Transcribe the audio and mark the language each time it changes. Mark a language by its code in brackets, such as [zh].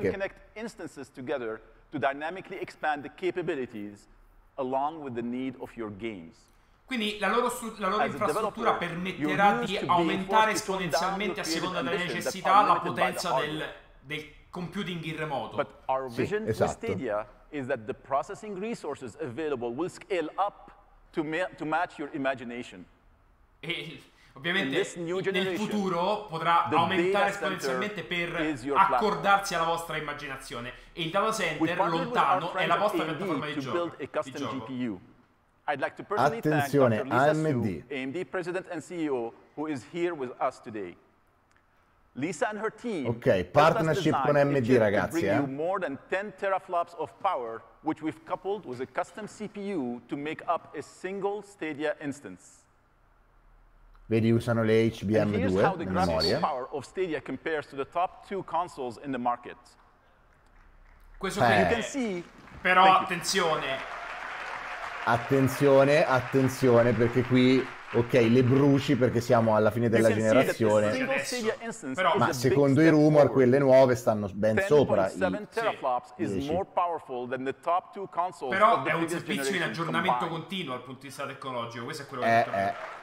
[en] Can connect instances together to dynamically expand the capabilities along with the need of your games. [it] Quindi la loro infrastruttura permetterà di aumentare esponenzialmente a seconda delle necessità la potenza del computing in remoto. [en] But our vision with Stadia is that the processing resources available will scale up to match your imagination. [it] E ovviamente nel futuro potrà aumentare esponenzialmente per accordarsi alla vostra immaginazione e il data center lontano è la vostra piattaforma di gioco. [en] I'd like to personally [it] attenzione, [en] thank Dr. Lisa AMD. Su, AMD President and CEO, who is here with us today. Lisa and her team. [it] Ok, partnership con AMD, ragazzi. [en] To bring you more than 10 teraflops of power, which we've coupled with a custom CPU to make up a single Stadia instance. [it] Vedi, usano le HBM2 in memoria. [en] How the graphics power of Stadia compares to the top two consoles in the market. [it] Questo qui. [en] You can see. [it] Però attenzione. Attenzione, attenzione, perché qui, ok, le bruci perché siamo alla fine della generazione, ma secondo i rumor quelle nuove stanno ben sopra. Però è un servizio in aggiornamento continuo dal punto di vista tecnologico, questo è quello che è.